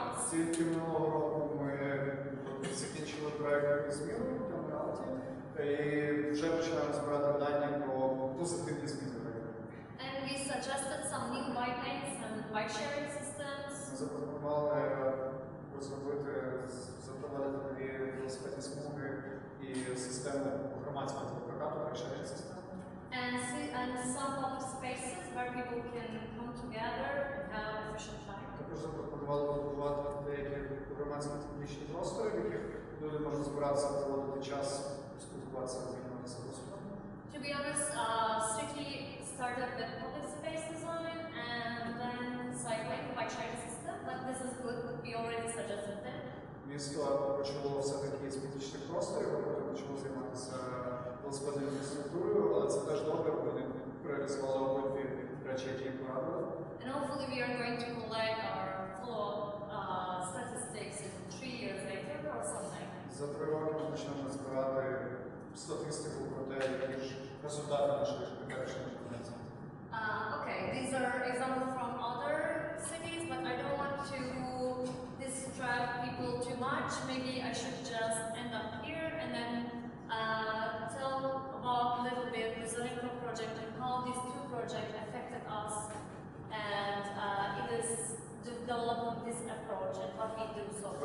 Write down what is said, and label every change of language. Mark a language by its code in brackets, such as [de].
[uk] Тільки минулого року ми закінчили проєкт зміни в Кемералті і вже почали збирати дані про позитивні зміни проєкту. [en] And we suggested some new bike lanes and bike sharing systems. [uk] Запропонували розробити, запровадити нові велосипедні смуги і системи громадського прокату, [en] bike sharing systems. And some public spaces where people can come together and have efficient time. [uk] Також запропонували побудувати деякі громадські публічні простори, в яких люди можуть збиратися, проводити час, спілкуватися, обмінюватися досвідом. [en] To be honest, Strictly started with public space design and then cycling bike sharing system, but this is good, we already suggested it. [uk] Місто почало все-таки з публічних просторів, потім почало займатися велосипедною інфраструктурою, але це теж добре, бо вони реалізували обидві речі, які їм порадили. [en] And hopefully we are going to collect our follow-up statistics in 3 years later or something. [uk] З за 3 роки ми почнемо збирати статистику про те, які ж результати наших перших конференцій. [en] Okay, these are examples from other cities, but I don't want to distract people too much. Maybe I should just end up here and then tell about a little bit the Zelenko project and how these two projects affected us and in this development this approach and what we do so far.